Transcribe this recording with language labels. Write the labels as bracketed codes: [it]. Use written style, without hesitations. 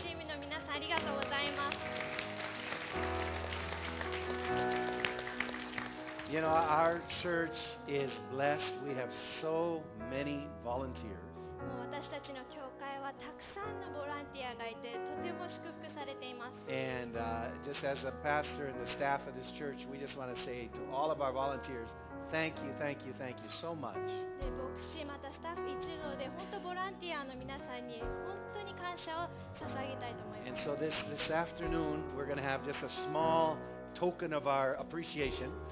[ja] チームの皆さん、ありがとうございます。 [en] You know, our church is blessed. We have so many volunteers. [ja] もう私たちの教会はたくさんのボランティアがいて、とても祝福されています。 [en] And just as a pastor and the staff of this church, we just want to say to all of our volunteers, thank you, thank you, thank you so much. [ja] で、牧師またスタッフ一同で、本当ボランティアの皆さんに本当に感謝を捧げたいと思います。 [en] And so this afternoon, we're going to have just a small token of our appreciation.